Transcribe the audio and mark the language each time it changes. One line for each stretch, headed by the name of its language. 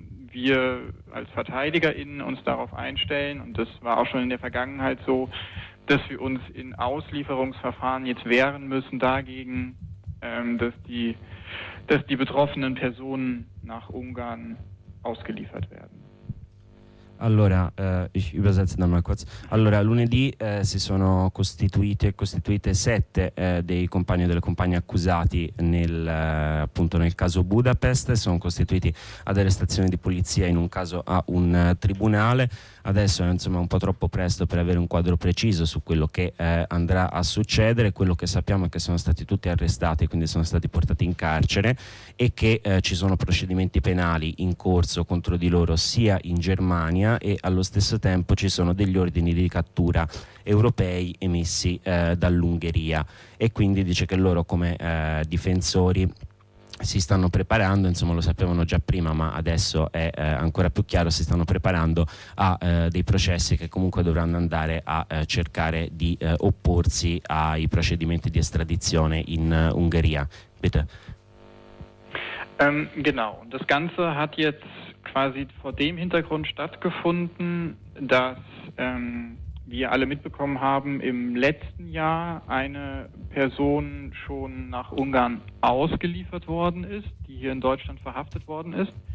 German: wir als VerteidigerInnen uns darauf einstellen, und das war auch schon in der Vergangenheit so, dass wir uns in Auslieferungsverfahren jetzt wehren müssen dagegen, dass die betroffenen Personen nach Ungarn ausgeliefert werden. Allora, ich übersetze da mal kurz.
Italian: Allora, lunedì si sono costituite 7 dei compagni e delle compagne accusati nel caso Budapest, sono costituiti ad arrestazione di polizia in un caso a un tribunale. Adesso è insomma un po' troppo presto per avere un quadro preciso su quello che andrà a succedere. Quello che sappiamo è che sono stati tutti arrestati, quindi sono stati portati in carcere, e che ci sono procedimenti penali in corso contro di loro sia in Germania, e allo stesso tempo ci sono degli ordini di cattura europei emessi dall'Ungheria, e quindi dice che loro come difensori si stanno preparando, insomma lo sapevano già prima ma adesso è ancora più chiaro, si stanno preparando a dei processi che comunque dovranno andare a cercare di opporsi ai procedimenti di estradizione in Ungheria.
German: Bitte. Genau, das Ganze hat jetzt quasi vor dem Hintergrund stattgefunden, dass wir alle mitbekommen haben, im letzten Jahr eine Person schon nach Ungarn ausgeliefert worden ist, die hier in Deutschland verhaftet worden ist.